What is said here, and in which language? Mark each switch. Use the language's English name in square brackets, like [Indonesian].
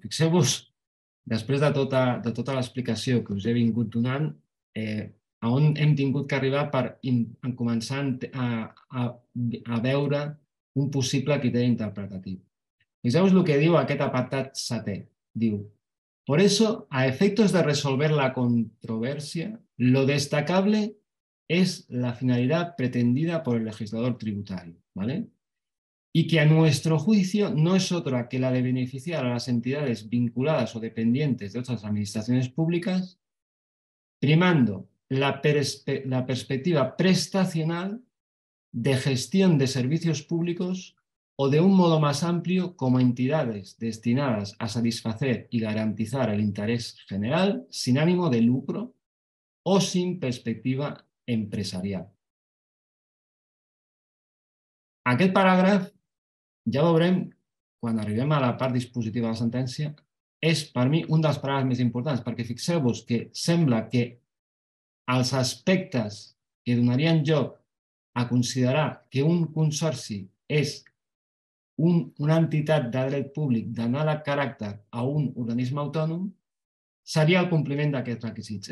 [Catalan] Fixeu-vos, després de tota l'explicació que us he vingut donant, a on hem tingut que arribar per començar a veure un possible criteri interpretatiu. Fixeu-vos el que diu aquest apartat setè. [Spanish] Diu, por eso, a efectos de resolver la controversia, lo destacable es la finalidad pretendida por el legislador tributario, ¿vale? Y que a nuestro juicio no es otra que la de beneficiar a las entidades vinculadas o dependientes de otras administraciones públicas, primando la perspectiva prestacional de gestión de servicios públicos o de un modo más amplio como entidades destinadas a satisfacer y garantizar el interés general sin ánimo de lucro o sin perspectiva empresarial. [Catalan] Aquest paràgraf, ja veurem, quan arribem a la part dispositiva de la sentència, és per mi un dels paràgrafs més importants, perquè fixeu-vos que sembla que els aspectes que donarien lloc a considerar que un consorci és una entitat de dret públic d'anar de caràcter a un organisme autònom seria el compliment d'aquests requisits.